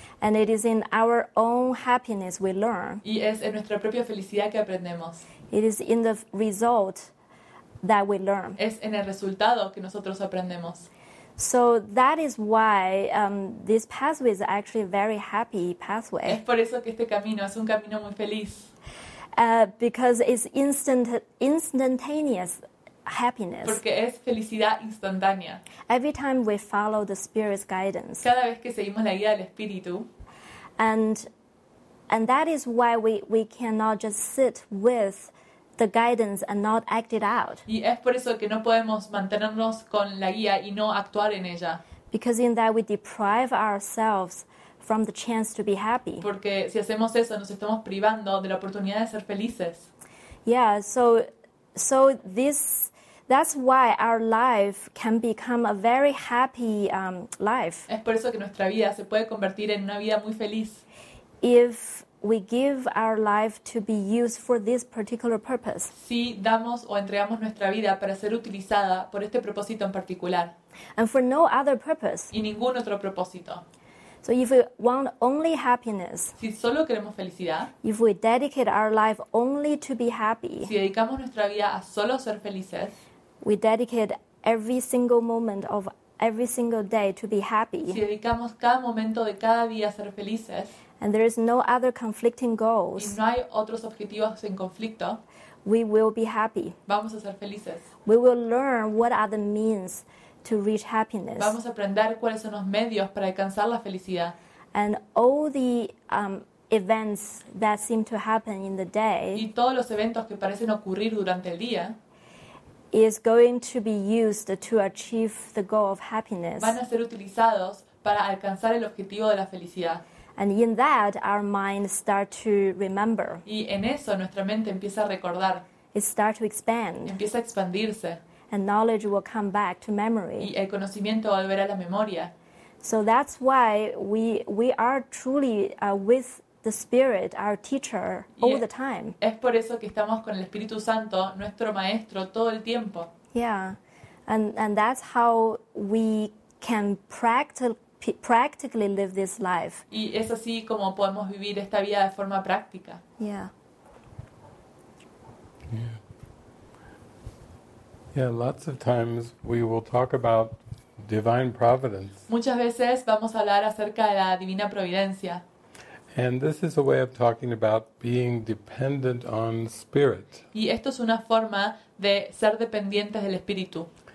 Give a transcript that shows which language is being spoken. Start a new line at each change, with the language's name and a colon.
English: And it is in our own happiness we learn.
Spanish: Y es en nuestra propia felicidad que aprendemos.
English: It is in the result that we learn.
Spanish: Es en el resultado que nosotros aprendemos.
English: So that is why this pathway is actually a very happy pathway.
Spanish: Es por eso que este camino es un camino muy feliz.
English: Because it's instantaneous happiness.
Spanish: Porque es felicidad instantánea.
English: Every time we follow the spirit's guidance.
Spanish: Cada vez que seguimos la guía del espíritu.
English: And that is why we cannot just sit with the guidance and not act it out.
Spanish: Y es por eso que no podemos mantenernos con la guía y no actuar en ella.
English: Because in that we deprive ourselves from the chance to be happy.
Spanish: Porque si hacemos eso nos estamos privando de la oportunidad de ser felices.
English: Yeah, so this that's why our life can become a very happy life.
Spanish: Es por eso que nuestra vida se puede convertir en una vida muy feliz.
English: If we give our life to be used for this particular purpose.
Spanish: Si damos o entregamos nuestra vida para ser utilizada por este propósito en particular.
English: And for no other purpose.
Spanish: Y ningún otro propósito.
English: So if we want only happiness.
Spanish: Si solo queremos felicidad.
English: If we dedicate our life only to be happy.
Spanish: Si dedicamos nuestra vida a solo ser felices.
English: We dedicate every single moment of every single day to be happy.
Spanish: Si dedicamos cada momento de cada día a ser felices.
English: And there is no other conflicting goals.
Spanish: Y no hay otros objetivos en conflicto.
English: We will be happy.
Spanish: Vamos a ser felices.
English: We will learn what are the means to reach happiness.
Spanish: Vamos a aprender cuáles son los medios para alcanzar la felicidad.
English: And all the events that seem to happen in the day.
Spanish: Y todos los eventos que parecen ocurrir durante el día.
English: Is going to be used to achieve the goal of happiness.
Spanish: Van a ser utilizados para alcanzar el objetivo de la felicidad.
English: And in that, our mind start to remember.
Spanish: Y en eso nuestra mente empieza a recordar.
English: It start to expand.
Spanish: Empieza a expandirse.
English: And knowledge will come back to memory.
Spanish: Y el conocimiento volverá a la memoria.
English: So that's why we are truly with the Spirit, our teacher, all the time.
Spanish: Es por eso que estamos con el Espíritu Santo, nuestro maestro, todo el tiempo.
English: Yeah, and that's how we can practically live this life.
Spanish: Y es así como podemos vivir esta vida de forma práctica.
English: Yeah. Yeah, lots of times we will talk about divine providence.
Spanish: Muchas veces vamos a hablar acerca de la divina providencia.
English: And this is a way of talking about being dependent on spirit.
Spanish: Y esto es una forma de ser dependientes del espíritu.